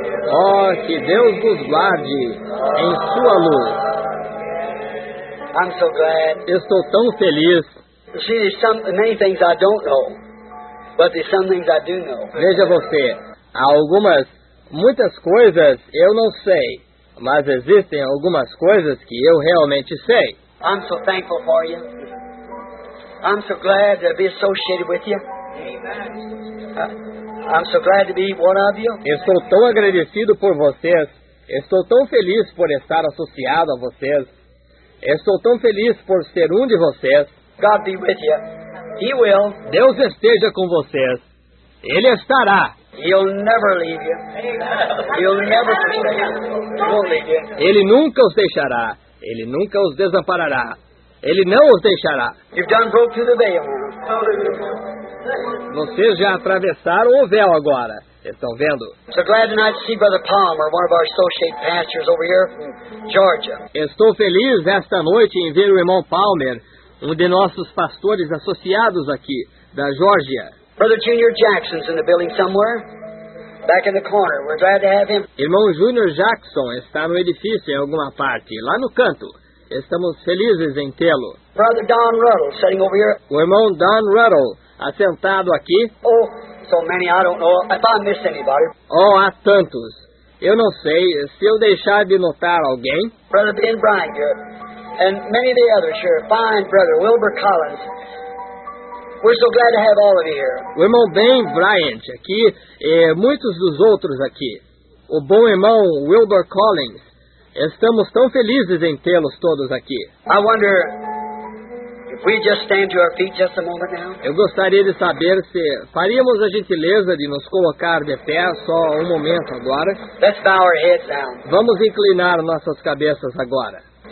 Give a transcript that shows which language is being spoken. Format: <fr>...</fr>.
<pt>Oh, que Deus vos guarde em sua luz.</pt> <en>I'm so glad.</en> <pt>Estou tão feliz.</pt> <en>See, many things I don't know, but there's some things I do know.</en> <pt>Veja você. Há algumas, muitas coisas eu não sei. mas existem algumas coisas que eu realmente sei.</pt> <en>I'm so thankful for you. I'm so glad to be associated with you. Amen. I'm so glad to be one of you.</en> <pt>Estou tão agradecido por vocês. Estou tão feliz por estar associado a vocês. Estou tão feliz por ser um de vocês.</pt> <en>God be with you. He will.</en> <pt>Deus esteja com vocês. Ele estará.</pt> <en>He'll never leave you. Amen. He'll never forsake you. He'll leave you.</en> <pt>Ele nunca os deixará. Ele nunca os desamparará. Ele não os deixará.</pt> <en>You've done broke through the veil.</en> <pt>Vocês já atravessaram o véu agora. Estão vendo?</pt> <en>So glad tonight to see Brother Palmer, one of our associate pastors over here from Georgia.</en> <pt>Estou feliz esta noite em ver o irmão Palmer, um de nossos pastores associados aqui, da Georgia.</pt> <en>Brother Junior Jackson's in the building somewhere, back in the corner. We're glad to have him.</en> <pt>Irmão Junior Jackson está no edifício em alguma parte, lá no canto. Estamos felizes em tê-lo.</pt> <en>Brother Don Ruddle, sitting over here.</en> <pt>O irmão Don Ruddle, assentado aqui.</pt> <en>Oh, so many, I don't know. If I miss anybody.</en> <pt>Oh, há tantos. Eu não sei se eu deixar de notar alguém.</pt> <en>Brother Ben Bryant here. And many of the others here. Fine, brother. Wilbur Collins. We're so glad to have all of you here.</en> <pt>O irmão Ben Bryant aqui e muitos dos outros aqui. O bom irmão Wilbur Collins. Estamos tão felizes em tê-los todos aqui.</pt> <en>I wonder if we just stand to our feet just a moment now.</en> <pt>Eu gostaria de saber se faríamos a gentileza de nos colocar de pé só um momento agora.</pt> <en>Let's bow our heads down.</en> <pt>Vamos inclinar nossas cabeças agora.</pt>